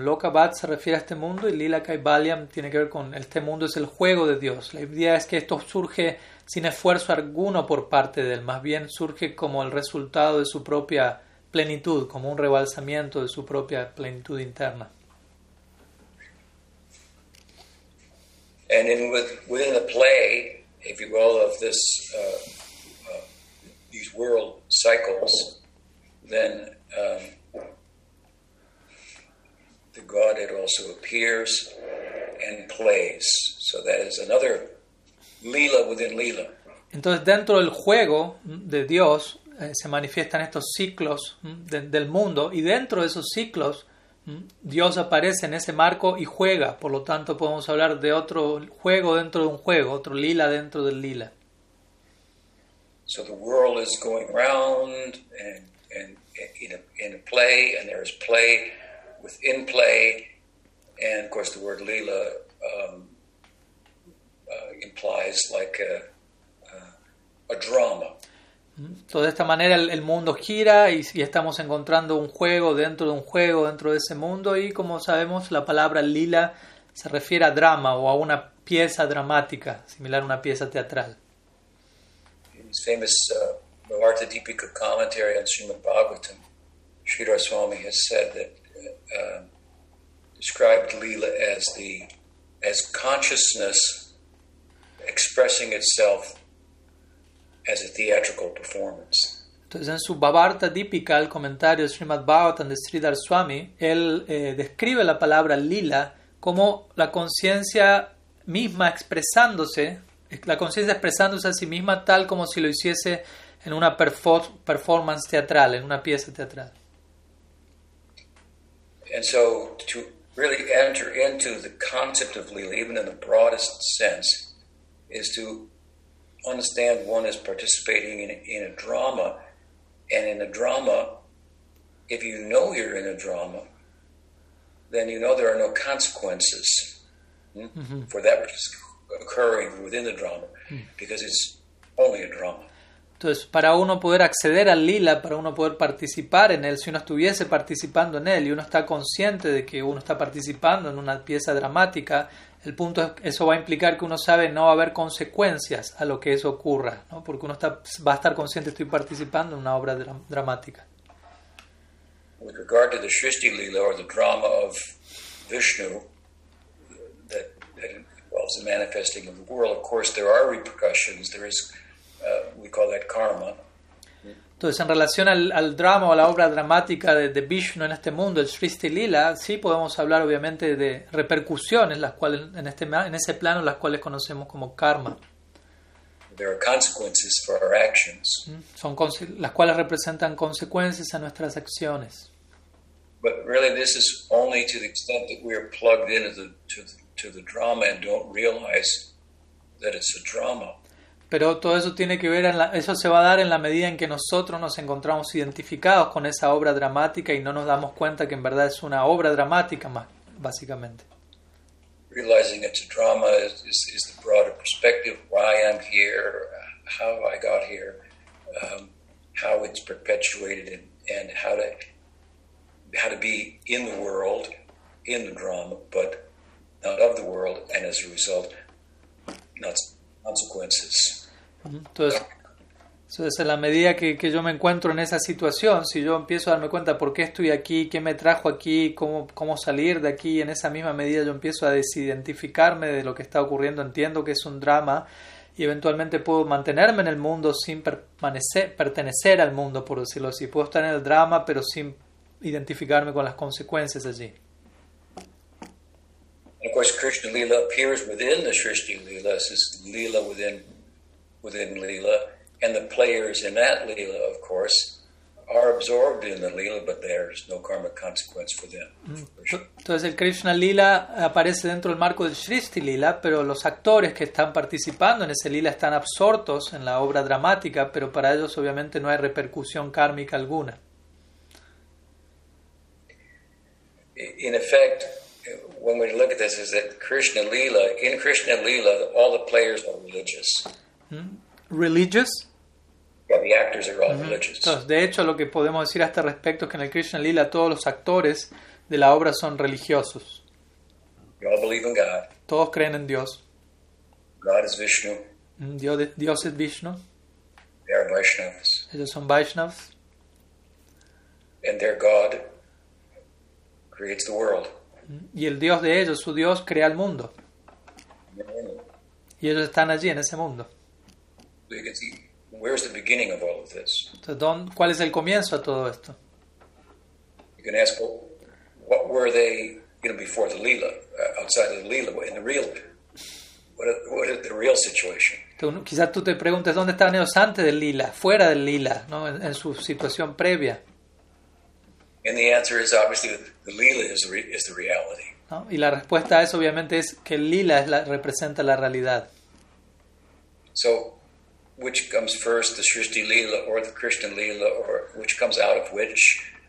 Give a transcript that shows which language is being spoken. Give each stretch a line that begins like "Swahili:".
Spanish: Lokavat se refiere a este mundo y lila kaivalyam tiene que ver con este mundo, es el juego de Dios. La idea es que esto surge sin esfuerzo alguno por parte de él, más bien surge como el resultado de su propia plenitud, como un rebalsamiento de su propia plenitud interna.
English: And in within the play, if you will, of this these world cycles, then the Godhead also appears and plays. So that is another lila within lila.
Spanish: Entonces, dentro del juego de Dios, se manifiestan estos ciclos del mundo, y dentro de esos ciclos, Dios aparece en ese marco y juega. Por lo tanto, podemos hablar de otro juego dentro de un juego, otro lila dentro del lila.
English: So the world is going round and in a play, and there is play within play, and of course the word lila implies like a drama.
Spanish: Entonces, de esta manera el mundo gira y estamos encontrando un juego dentro de un juego dentro de ese mundo, y como sabemos la palabra lila se refiere a drama o a una pieza dramática, similar a una pieza teatral.
English: His famous Bhavartha Deepika commentary on Srimad Bhagavatam, Sridhar Swami has said that described Leela as consciousness expressing itself as a theatrical performance.
Spanish: Entonces, en su Bhavartha Deepika, el comentario de Srimad Bhagavatam de Sridhar Swami, él describe la palabra Leela como la conciencia misma expresándose. La conciencia expresándose a sí misma tal como si lo hiciese en una performance teatral, en una pieza teatral.
English: And so to really enter into the concept of Leela, even in the broadest sense, is to understand one is participating in a drama, and in a drama, if you know you're in a drama, then you know there are no consequences for that which is occurring within the drama, because it's only a drama.
Spanish: Entonces, para uno poder acceder al lila, para uno poder participar en él, si uno estuviese participando en él y uno está consciente de que uno está participando en una pieza dramática, el punto es que eso va a implicar que uno sabe no va a haber consecuencias a lo que eso ocurra, ¿no? Porque uno va a estar consciente, estoy participando en una obra dramática.
English: With regard to the Srishti lila or the drama of Vishnu, involves the manifesting of the world. Of course, there are repercussions. There is, we call that karma.
Spanish: Entonces, en relación al drama o a la obra dramática de Vishnu en este mundo, el Srishti Lila, sí podemos hablar, obviamente, de repercusiones, las cuales en ese plano, las cuales conocemos como karma.
English: There are consequences for our actions.
Spanish: Son las cuales representan consecuencias a nuestras acciones.
English: But really, this is only to the extent that we are plugged into the drama and don't realize that it's a drama.
Spanish: Pero todo eso tiene que ver eso se va a dar en la medida en que nosotros nos encontramos identificados con esa obra dramática y no nos damos cuenta que en verdad es una obra dramática más, básicamente.
English: Realizing it's a drama is the broader perspective, why I'm here, how I got here, how it's perpetuated and how to be in the world, in the drama, but not of the world, and as a result, not consequences.
Spanish: Entonces, en la medida que yo me encuentro en esa situación, si yo empiezo a darme cuenta por qué estoy aquí, qué me trajo aquí, cómo salir de aquí, en esa misma medida yo empiezo a desidentificarme de lo que está ocurriendo, entiendo que es un drama, y eventualmente puedo mantenerme en el mundo sin pertenecer al mundo, por decirlo así. Puedo estar en el drama, pero sin identificarme con las consecuencias allí.
English: And of course, Krishna Lila appears within the Srishti Lila. This is Lila within Lila. And the players in that Lila, of course, are absorbed in the Lila, but there's no karmic consequence for them.
Spanish: Entonces, el Krishna Lila aparece dentro del marco del Srishti Lila, pero los actores que están participando en ese Lila están absortos en la obra dramática, pero para ellos, obviamente, no hay repercusión kármica alguna.
English: In effect, when we look at this, is that Krishna Lila, in Krishna Lila, all the players are religious. Religious? Yeah, the actors are all religious.
Spanish: Entonces, de hecho, lo que podemos decir a este respecto es que en el Krishna Lila todos los actores de la obra son religiosos.
English: We all believe in God.
Spanish: Todos creen en Dios.
English: God is Vishnu.
Spanish: Dios es Vishnu.
English: They are Vaishnavas.
Spanish: Ellos son Vaishnavas.
English: And their God creates the world.
Spanish: Y el Dios de ellos, su Dios, crea el mundo. Y ellos están allí, en ese mundo. Entonces, ¿cuál es el comienzo a todo esto?
English: You can ask, well, what were they, you know, before the Lila, outside of the Lila, in the real, what is the real situation?
Spanish: Quizás tú te preguntes dónde estaban ellos antes del lila, fuera del lila, ¿no? En su situación previa.
English: And the answer is obviously the lila is the reality.
Spanish: ¿No? Y la respuesta a eso obviamente es que el lila es la, representa la realidad.
English: So, which comes first, the Srishti lila or the Krishna lila, or which comes out of which?